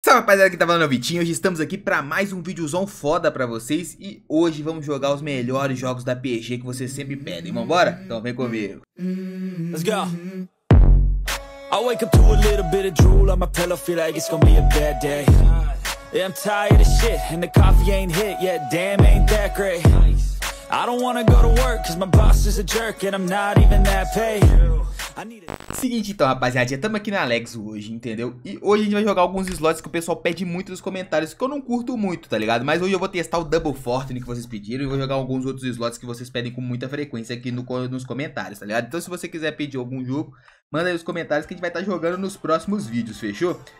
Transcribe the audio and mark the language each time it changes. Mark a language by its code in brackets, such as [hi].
[pt] Salve, rapaziada, que tá falando é o Vitinho. Hoje estamos aqui pra mais um videozão foda pra vocês. E hoje vamos jogar os melhores jogos da PG que vocês sempre pedem. Vambora? Então vem comigo. [en] Let's go. I wake up to a little bit of drool on my pillow, feel like it's gonna be a bad day. Yeah, I'm tired of shit and the coffee ain't hit yet, damn, ain't that great. I don't wanna go to work cause my boss is a jerk and I'm not even that paid. [pt] Seguinte então, rapaziada, estamos aqui na Alex hoje, entendeu? E hoje a gente vai jogar alguns slots que o pessoal pede muito nos comentários, que eu não curto muito, tá ligado? Mas hoje eu vou testar o Double Fortune que vocês pediram e vou jogar alguns outros slots que vocês pedem com muita frequência aqui nos comentários, tá ligado? Então se você quiser pedir algum jogo, manda aí nos comentários que a gente vai estar jogando nos próximos vídeos, fechou?